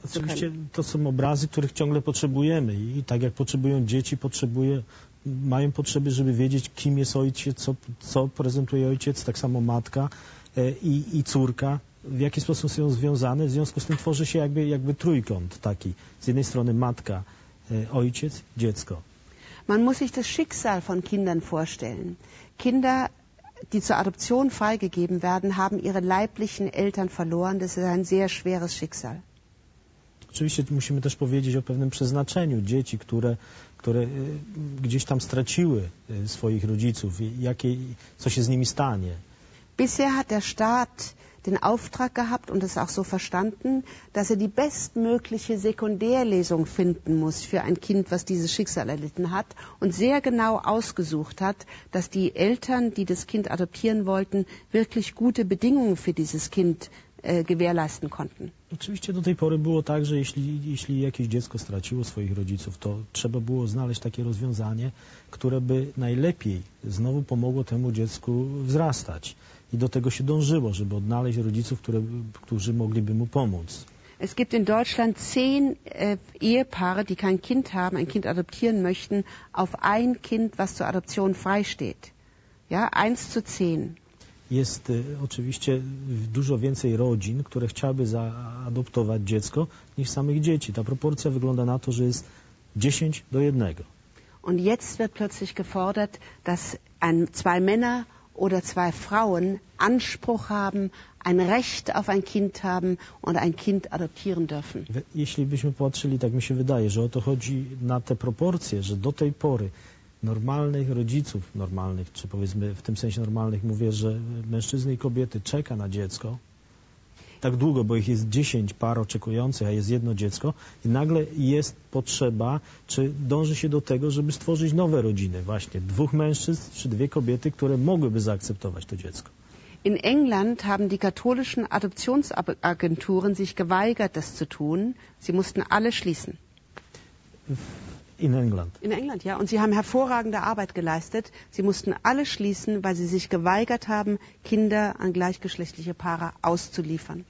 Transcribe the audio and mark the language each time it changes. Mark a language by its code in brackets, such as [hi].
[pl] Oczywiście to są obrazy, których ciągle potrzebujemy. I tak jak potrzebują dzieci, mają potrzeby, żeby wiedzieć, kim jest ojciec, co prezentuje ojciec, tak samo matka i córka, w jaki sposób są związane. W związku z tym tworzy się jakby trójkąt taki. Z jednej strony matka, ojciec, dziecko. [de] Man muss sich das Schicksal von Kindern vorstellen. Kinder, die zur Adoption freigegeben werden, haben ihre leiblichen Eltern verloren. Das ist ein sehr schweres Schicksal. [pl] Oczywiście musimy też powiedzieć o pewnym przeznaczeniu dzieci, które gdzieś tam straciły swoich rodziców. Co się z nimi stanie? [de] Bisher hat der Staat den Auftrag gehabt und es auch so verstanden, dass er die bestmögliche Sekundärlesung finden muss für ein Kind, was dieses Schicksal erlitten hat, und sehr genau ausgesucht hat, dass die Eltern, die das Kind adoptieren wollten, wirklich gute Bedingungen für dieses Kind gewährleisten konnten. [pl] Oczywiście do tej pory było tak, że jeśli jakieś dziecko straciło swoich rodziców, to trzeba było znaleźć takie rozwiązanie, które by najlepiej znowu pomogło temu dziecku wzrastać. I do tego się dążyło, żeby odnaleźć rodziców, którzy mogliby mu pomóc. [de] Es gibt in Deutschland 10 Ehepaare, die kein Kind haben, ein Kind adoptieren möchten, auf ein Kind, was zur Adoption freisteht. Ja, 1:10. [pl] Jest oczywiście dużo więcej rodzin, które chciałyby zaadoptować dziecko, niż samych dzieci. Ta proporcja wygląda na to, że jest 10:1. [de] Und jetzt wird plötzlich gefordert, dass zwei Männer oder zwei Frauen Anspruch haben, ein Recht auf ein Kind haben und ein Kind adoptieren dürfen. [pl] Jeśli byśmy patrzyli, tak mi się wydaje, że o to chodzi, na te proporcje, że do tej pory normalnych rodziców, normalnych, czy powiedzmy w tym sensie normalnych, mówię, że mężczyzny i kobiety czeka na dziecko tak długo, bo ich jest 10 par oczekujących, a jest jedno dziecko, i nagle jest potrzeba, czy dąży się do tego, żeby stworzyć nowe rodziny, właśnie dwóch mężczyzn czy dwie kobiety, które mogłyby zaakceptować to dziecko. [de] In England haben die katholischen Adoptionsagenturen sich geweigert, das zu tun. Sie mussten alle schließen. In England. In England, ja. Und sie haben hervorragende Arbeit geleistet. Sie mussten alle schließen, weil sie sich geweigert haben, Kinder an gleichgeschlechtliche Paare auszuliefern.